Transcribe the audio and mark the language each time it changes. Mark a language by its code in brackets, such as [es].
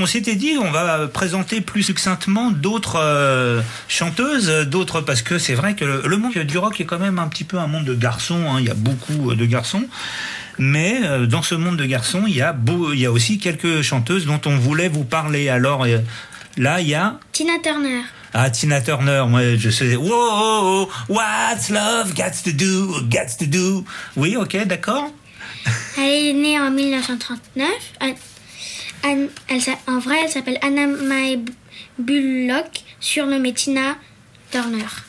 [fr] On s'était dit, on va présenter plus succinctement d'autres chanteuses, d'autres, parce que c'est vrai que le monde du rock est quand même un petit peu un monde de garçons. Hein. Il y a beaucoup de garçons. Mais dans ce monde de garçons, il y a aussi quelques chanteuses dont on voulait vous parler. Alors là, il y a. Tina Turner. Ah, Tina Turner, moi, je sais. [en] Whoa, what's love got to do? [fr] Oui, ok, d'accord. Elle est née en 1939. Elle s'appelle Anna Mae Bullock, surnommée Tina Turner.